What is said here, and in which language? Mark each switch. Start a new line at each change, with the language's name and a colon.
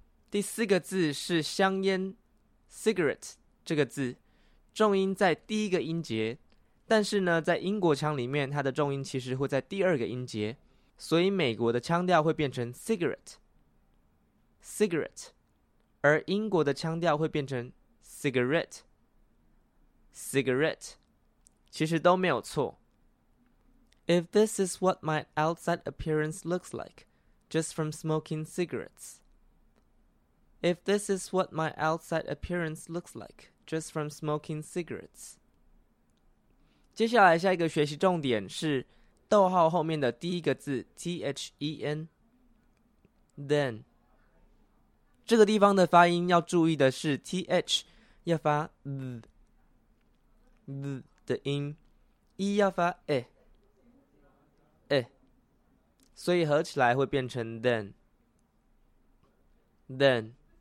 Chinese: 第四个字是香烟 cigarette 这个字，重音在第一个音节，但是呢在英国腔里面它的重音其实会在第二个音节，所以美国的腔调会变成 cigarette cigarette， 而英国的腔调会变成 cigarette cigarette， 其实都没有错。
English: If this is what my outside appearance looks like, just from smoking cigarettes. If this is what my outside appearance looks like, just from smoking cigarettes.
Chinese: 接下来下一个学习重点是逗号后面的第一个字 then。 Then， 这个地方的发音要注意的是 th 要发 th 的音，一要发 a， 所以合起来会变成 then then。